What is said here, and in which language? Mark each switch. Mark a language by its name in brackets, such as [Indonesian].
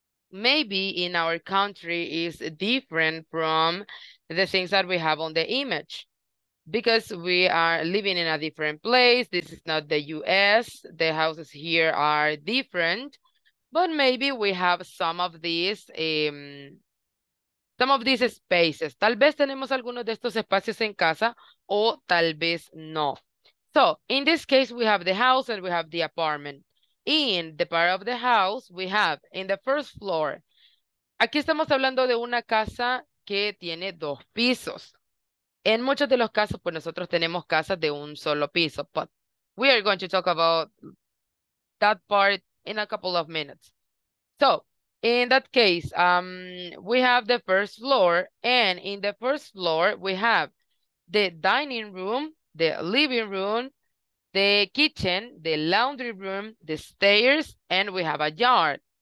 [English] Maybe in our country is different from the things that we have on the image. Because we are living in a different place. This is not the US. The houses here are different. But maybe we have some of these spaces. [Spanish] Tal vez tenemos algunos de estos espacios en casa o tal vez no. [English] So, in this case, we have the house and we have the apartment. In the part of the house, we have in the first floor. [Spanish] Aquí estamos hablando de una casa que tiene dos pisos. En muchos de los casos, pues nosotros tenemos casas de un solo piso. [English] But we are going to talk about that part in a couple of minutes. So, In that case, we have the first floor, and in the first floor, we have the dining room, the living room, the kitchen, the laundry room, the stairs, and we have a yard.